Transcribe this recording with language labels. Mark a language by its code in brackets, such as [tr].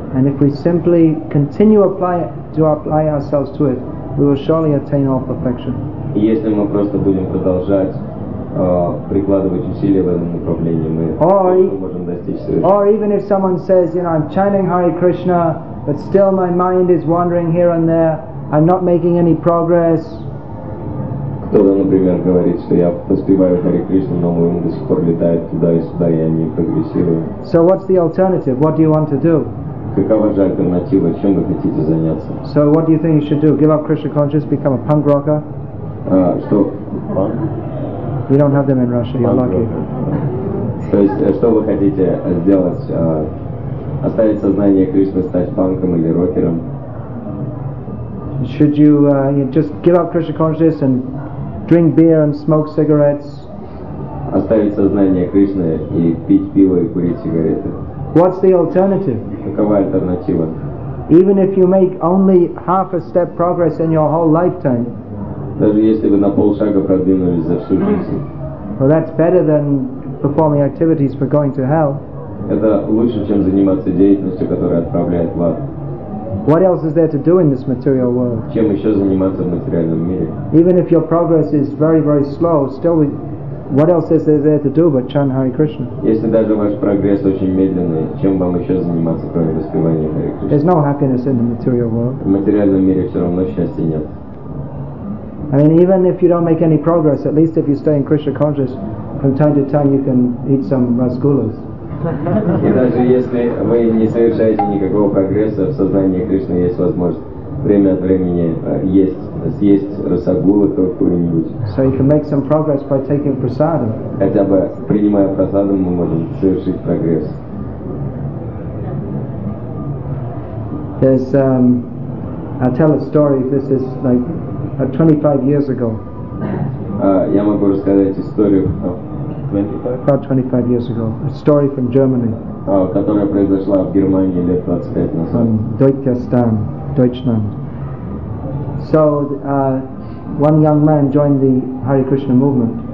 [en] And if we simply continue to apply ourselves to it, we will surely attain all perfection. [ru] И если мы просто будем продолжать прикладывать усилия в этом направлении, мы можем достичь совершенства. [en] Or even if someone says, you know, I'm chanting Hare Krishna, but still my mind is wandering here and there, I'm not making any progress. [ru] Кто-то, например, говорит, что я поспеваю Hare Krishna, но мой ум до сих пор летает туда и сюда, и я не прогрессирую. [en] So what's the alternative? What do you want to do? [ru] Какова же альтернатива? Чем вы хотите заняться? [en] So what do you think you should do? Give up Krishna consciousness, become a punk rocker? [ru] Что? [en] Punk? We don't have them in Russia, you're lucky. [ru] То есть, что вы хотите сделать? Оставить сознание Кришны, стать панком или рокером? [en] Should you just give up Krishna consciousness and drink beer and smoke cigarettes? [ru] Оставить сознание Кришны и пить пиво и курить сигареты? [en] What's the alternative? [ru] Какова альтернатива? [en] Even if you make only half a step progress in your whole lifetime, [ru] даже если вы на полшага продвинулись за всю жизнь. [en] Well, that's better than performing activities for going to hell. [ru] Это лучше, чем заниматься деятельностью, которая отправляет в ад. [en] What else is there to do in this material world? [ru] Чем еще заниматься в материальном мире? [en] Even if your progress is very, very slow, still, what else is there to do but chant Hare Krishna? [ru] Если даже ваш прогресс очень медленный, чем вам еще заниматься, кроме воспевания Hare Krishna? [en] There's no happiness in the material world. [ru] В материальном мире все равно счастья нет. [en] I mean, even if you don't make any progress, at least if you stay in Krishna conscious, from time to time you can eat some rasgullas. [ru] И даже если вы не совершаете никакого прогресса в сознании Кришны, есть возможность время от времени съесть расагулы какую-нибудь. [en] So you can make some progress by taking prasadam. [ru] Хотя бы принимая прасаду, мы можем совершить прогресс. [en] There's, I'll tell a story. This is like 25 years ago. [ru] Я могу рассказать историю. [en] About 25 years ago, a story from Germany. [ru] Которая произошла в Германии лет 25 назад. [en] From Deutschland, Deutschland. So, one young man joined the Hare Krishna movement.